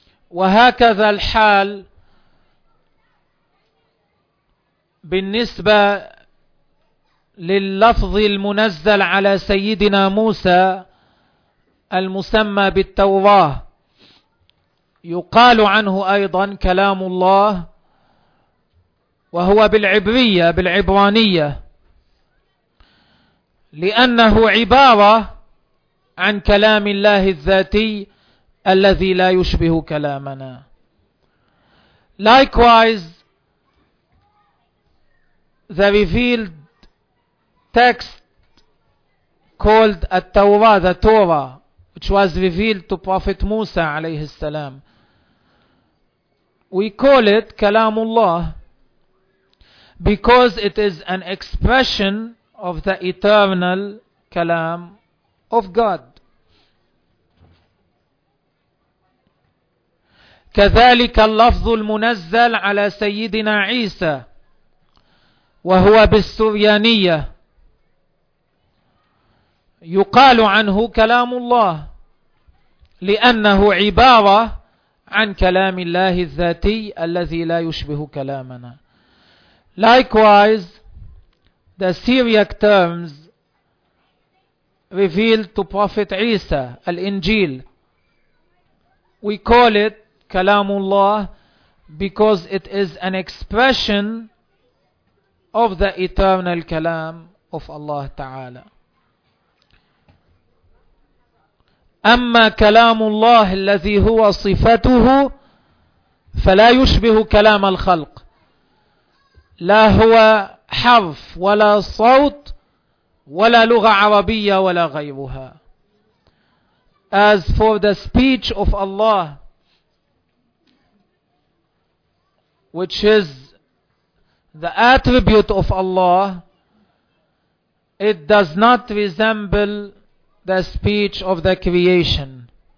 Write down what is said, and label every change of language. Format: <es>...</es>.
<ar>وهكذا الحال بالنسبة لللفظ المنزل على سيدنا موسى المسمى بالتوراة، يقال عنه أيضا كلام الله، وهو بالعبرية بالعبرانية، لأنه عبارة عن كلام الله الذاتي الذي لا يشبه كلامنا.</ar> <en>Likewise, the revealed text called التوراة, the Torah, which was revealed to Prophet Musa عليه السلام, we call it كلام الله because it is an expression of the eternal كلام of God.</en> <ar>كذلك اللفظ المنزل على سيدنا عيسى وهو بالسريانية يقال عنه كلام الله لأنه عبارة عن كلام الله الذاتي الذي لا يشبه كلامنا.</ar> <en>Likewise, the Syriac terms revealed to Prophet Isa, Al-Injil, we call it كلام الله because it is an expression of the eternal كلام of Allah تعالى.</en> <ar>أما كلام الله الذي هو صفته فلا يشبه كلام الخلق، لا هو حرف ولا صوت ولا لغة عربية ولا غيرها.</ar> <en>As for the speech of Allah, which is the attribute of Allah, it does not resemble the speech of the creation.</en>